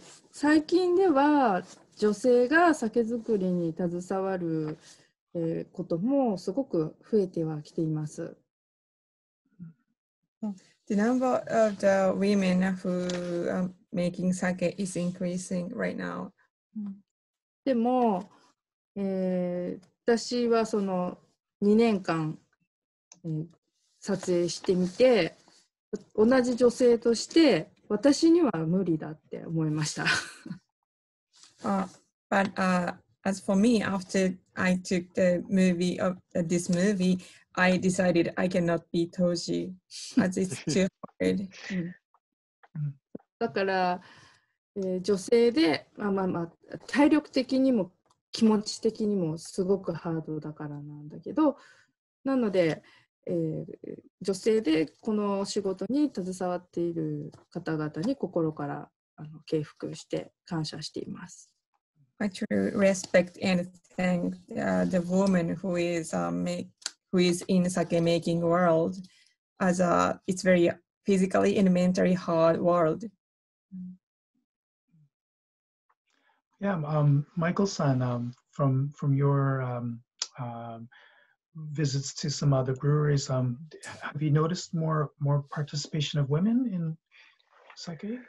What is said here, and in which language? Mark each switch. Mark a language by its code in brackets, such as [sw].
[ja] 最近では女性が酒造りに携わることもすごく増えてはきています。 [en] The number of the women who making sake is increasing right now. [ja] でも、私はその2年間、撮影してみて、同じ女性として、私には無理だって思いました。 [en] But as for me, after I took the movie of this movie, I decided I cannot be Toji, as it's too hard. [ja] だから、女性で、まあまあまあ、体力的にも気持ち的にもすごくハードだからなんだけど、なので、女性でこの仕事に携わっている方々に心から敬服して感謝しています。 [en] I truly respect and thank the woman who is, who is in the sake making world as a, it's very physically and mentally hard world. Yeah, Michael-san, from your visits to some other breweries, have you noticed more participation of women in sake?